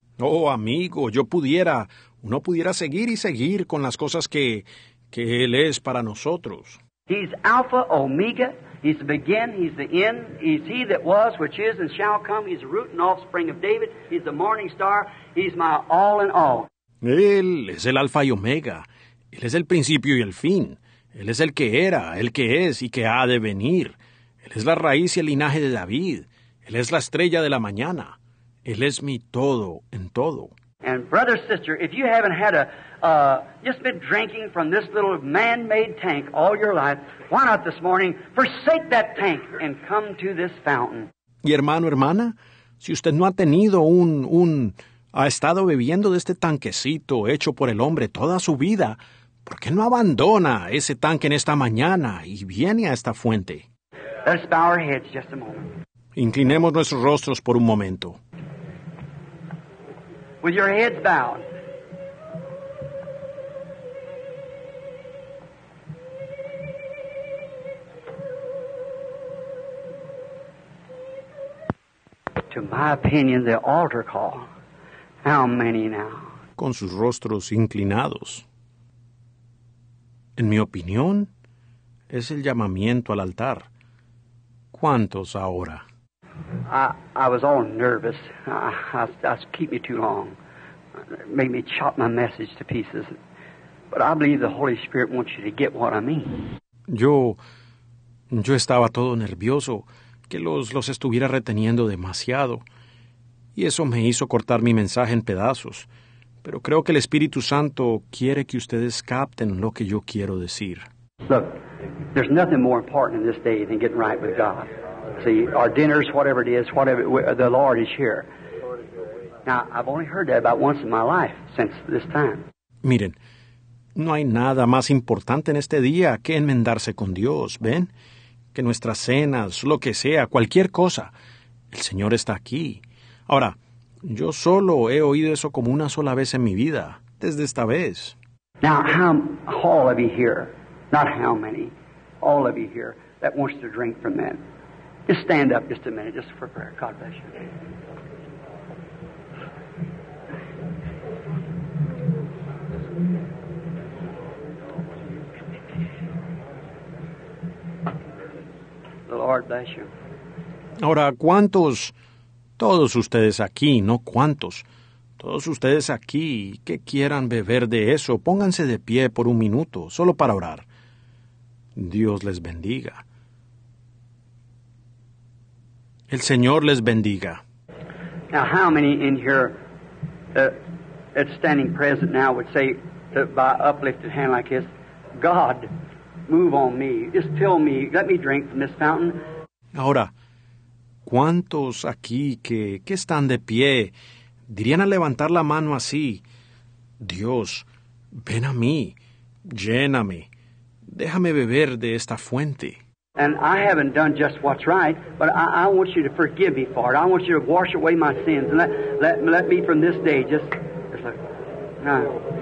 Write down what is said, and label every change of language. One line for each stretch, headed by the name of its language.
Spanish: Oh, amigo, uno pudiera seguir y seguir con las cosas que él es para nosotros.
English: He's Alpha, Omega, he's the begin, he's the end, he's he that was, which is, and shall come, he's the root and offspring of David, he's the morning star, he's my all in all.
Spanish: Él es el Alfa y Omega. Él es el principio y el fin. Él es el que era, el que es y que ha de venir. Él es la raíz y el linaje de David. Él es la estrella de la mañana. Él es mi todo en todo.
English: And brother, sister, if you haven't had just been drinking from this little man-made tank all your life, why not this morning forsake that tank and come to this fountain?
Spanish: Y hermano, hermana, si usted no ha tenido ha estado bebiendo de este tanquecito hecho por el hombre toda su vida, ¿por qué no abandona ese tanque en esta mañana y viene a esta fuente?
English: Let's bow our heads just a moment.
Spanish: Inclinemos nuestros rostros por un momento.
English: With your heads bowed. To my opinion, the altar call. How many now?
Spanish: Con sus rostros inclinados. En mi opinión, es el llamamiento al altar. ¿Cuántos ahora?
English: I was all nervous. I keep me too long. It made me chop my message to pieces. But I believe the Holy Spirit wants you to get what I mean.
Spanish: Yo estaba todo nervioso, que los estuviera reteniendo demasiado. Y eso me hizo cortar mi mensaje en pedazos. Pero creo que el Espíritu Santo quiere que ustedes capten lo que yo quiero decir.
English: Look, there's nothing more important in this day than getting right with God. See, our dinners, whatever it is, the Lord is here. Now, I've only heard that about once in my life since this time.
Spanish: Miren, no hay nada más importante en este día que enmendarse con Dios, ¿ven? Que nuestras cenas, lo que sea, cualquier cosa, el Señor está aquí. Ahora, yo solo he oído eso como una sola vez en mi vida, desde esta vez.
English: Now, all of you here, not how many, all of you here that wants to drink from that. Just stand up just a minute, just for prayer. God bless you. The Lord bless you.
Spanish: Ahora, ¿cuántos? Todos ustedes aquí, no cuántos. Todos ustedes aquí que quieran beber de eso, pónganse de pie por un minuto, solo para orar. Dios les bendiga. El Señor les bendiga.
English: Now, how many in here that's standing present now would say that by uplifted hand like this, God, move on me, just fill me, let me drink from this fountain?
Spanish: Ahora, ¿cuántos aquí que están de pie dirían al levantar la mano así, Dios, ven a mí, lléname, déjame beber de esta fuente?
English: And I haven't done just what's right, but I want you to forgive me for it. I want you to wash away my sins and let me from this day just like, no.